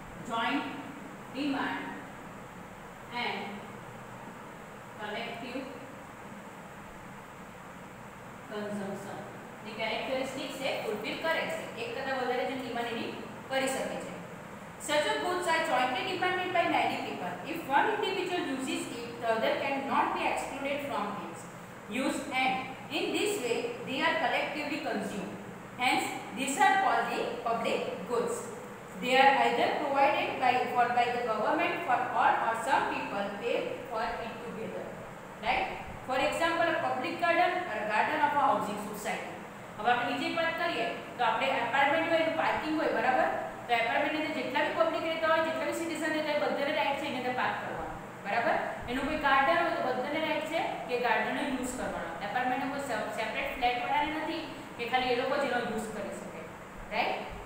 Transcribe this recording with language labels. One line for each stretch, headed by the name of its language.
Gujarati: Joint demand and collective consumption ની characteristics એ fulfil કરે છે. એક કરતાં વધારે જે ડિમાન્ડ એની કરી શકે છે.
English: Such a goods are jointly dependent by many people. If one individual uses it, the other can not be excluded from its use, and in this way they are collectively consumed. Hence these are called the public goods. They are either provided by the government for all or some people pay for it together. Right? For example, a public garden or a garden of a housing society.
Gujarati: હવે આપણે બીજી વાત કરીએ તો આપણે apartment હોય એનું parking હોય બરાબર, તો એપાર્ટમેન્ટ અંદર જેટલા બી પબ્લિક રહેતા હોય, જેટલા બી સિટીઝન રહેતા હોય, બધાને રાઈટ છે એની અંદર પાર્ક કરવાનું બરાબર. એનું કોઈ ગાર્ડન હોય તો બધાને રાઈટ છે કે ગાર્ડનનો યુઝ કરવાનો. એપાર્ટમેન્ટનો કોઈ સેપરેટ ફ્લેટ વાળાને નથી કે ખાલી એ લોકો જેનો યુઝ કરી શકે રાઈટ.